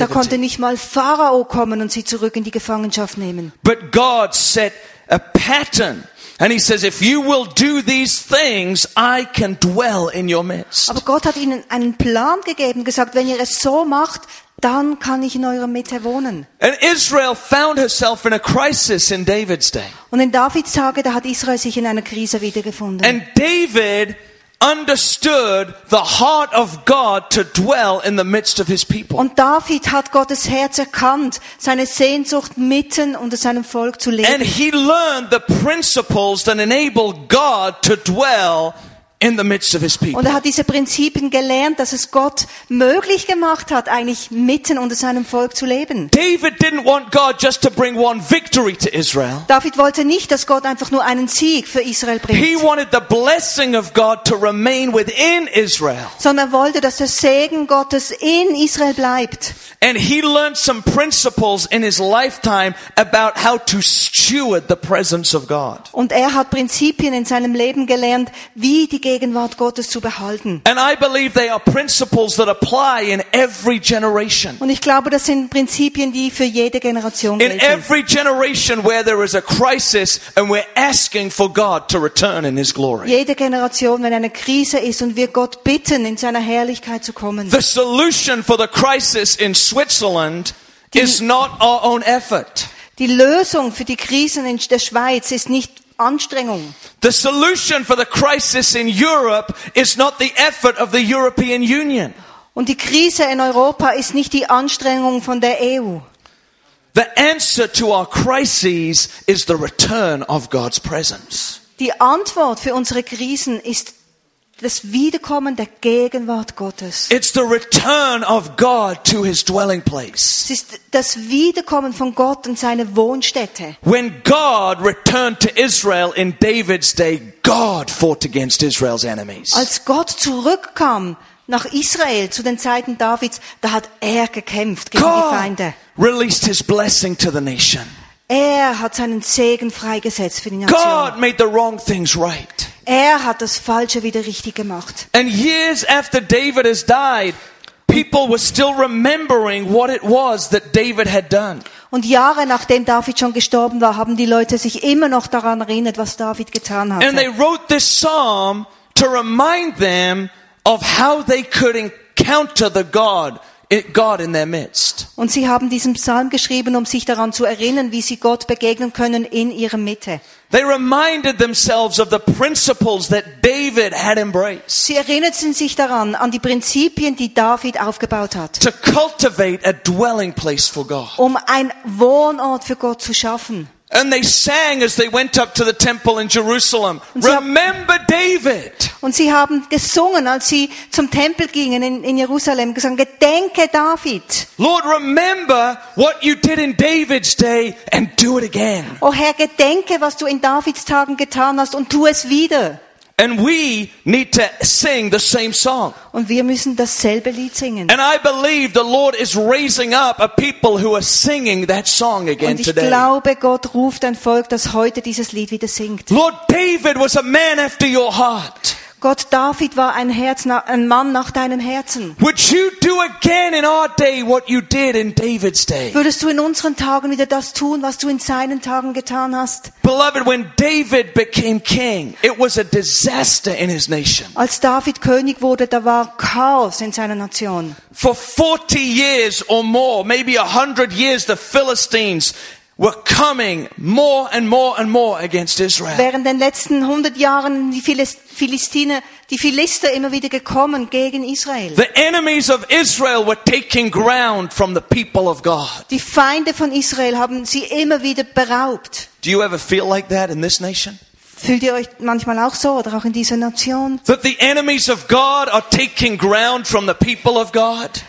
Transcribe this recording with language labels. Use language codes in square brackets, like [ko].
[de] Da konnte nicht mal Pharao kommen und sie zurück in die Gefangenschaft nehmen. [en] But God set a pattern. And he says, if you will do these things, I can dwell in your midst. [de] Aber Gott hat ihnen einen Plan gegeben, gesagt, wenn ihr es so macht, dann kann ich in eurer Mitte wohnen. [en] And Israel found herself in a crisis in David's day. [de] Und in Davids Tage, da hat Israel sich in einer Krise wiedergefunden. [en] And David understood the heart of God to dwell in the midst of his people. [de] Und David hat Gottes Herz erkannt, seine Sehnsucht mitten unter seinem Volk zu leben. [en] And he learned the principles that enable God to dwell in the midst of his people. [de] Und er hat diese Prinzipien gelernt, dass es Gott möglich gemacht hat, eigentlich mitten unter seinem Volk zu leben. [en] David didn't want God just to bring one victory to Israel. [de] David wollte nicht, dass Gott einfach nur einen Sieg für Israel bringt. [en] He wanted the blessing of God to remain within Israel. [de] Sondern er wollte, dass der Segen Gottes in Israel bleibt. [en] And he learned some principles in his lifetime about how to steward the presence of God. [de] Und er hat Prinzipien in seinem Leben gelernt, wie die Gegenwart Gottes zu behalten. [en] And I believe they are principles that apply in every generation. [de] Und ich glaube, das sind Prinzipien, die für jede Generation gelten. [en] In every generation where there is a crisis and we're asking for God to return in his glory. [de] Jede Generation, wenn eine Krise ist und wir Gott bitten, in seiner Herrlichkeit zu kommen. [en] The solution for the crisis in Switzerland is not our own effort. [de] Die Lösung für die Krisen in der Schweiz ist nicht Anstrengung. [en] The solution for the crisis in Europe is not the effort of the European Union. [de] Und die Krise in Europa ist nicht die Anstrengung von der EU. [en] The answer to our crises is the return of God's presence. [de] Die Antwort für unsere Krisen ist das Wiederkommen der Gegenwart Gottes. [en] It's the return of God to his dwelling place. [de] Es ist das Wiederkommen von Gott in seine Wohnstätte. [en] When God returned to Israel in David's day, God fought against Israel's enemies. [de] Als Gott zurückkam nach Israel zu den Zeiten Davids, da hat er gekämpft gegen die Feinde. [en] Released his blessing to the nation. [de] Er hat seinen Segen freigesetzt für die Nation. [en] God made the wrong things right. [de] Er hat das Falsche wieder richtig gemacht. [en] And years after David has died, people were still remembering what it was that David had done. [de] Und Jahre nachdem David schon gestorben war, haben die Leute sich immer noch daran erinnert, was David getan hatte. [en] And they wrote this psalm to remind them of how they could encounter the God in their midst. [de] Und sie haben diesen Psalm geschrieben, um sich daran zu erinnern, wie sie Gott begegnen können in ihrer Mitte. [en] They reminded themselves of the principles that David had embraced. [de] Sie erinnerten sich daran an die Prinzipien, die David aufgebaut hat. [en] To cultivate a dwelling place for God. [de] Um ein Wohnort für Gott zu schaffen. [en] And they sang as they went up to the temple in Jerusalem. Remember David. [de] Und sie haben gesungen, als sie zum Tempel gingen in Jerusalem, gesungen, gedenke David. [en] Lord, remember what you did in David's day and do it again. [de] O Herr, gedenke, was du in Davids Tagen getan hast und tu es wieder. [en] And we need to sing the same song. [de] Und wir müssen dasselbe Lied singen. [en] And I believe the Lord is raising up a people who are singing that song again today. [de] Und ich glaube, Gott ruft ein Volk, das heute dieses Lied wieder singt. [en] Lord, David was a man after your heart. [de] Gott, David war ein Mann nach deinem Herzen. [en] Would you do again in our day what you did in David's day? [de] Würdest du in unseren Tagen wieder das tun, was du in seinen Tagen getan hast? [en] Beloved, when David became king, it was a disaster in his nation. [de] Als David König wurde, da war Chaos in seiner Nation. [en] For 40 years or more, maybe 100 years, the Philistines were coming more and more and more against Israel. [de] Während den letzten 100 Jahren die Philister immer wieder gekommen gegen Israel. [en] The enemies of Israel were taking ground from the people of God. [de] Die Feinde von Israel haben sie immer wieder beraubt. [en] Do you ever feel like that in this nation? [de] Fühlt ihr euch manchmal auch so oder auch in dieser Nation? [en] That the enemies of God are taking ground from the people of God?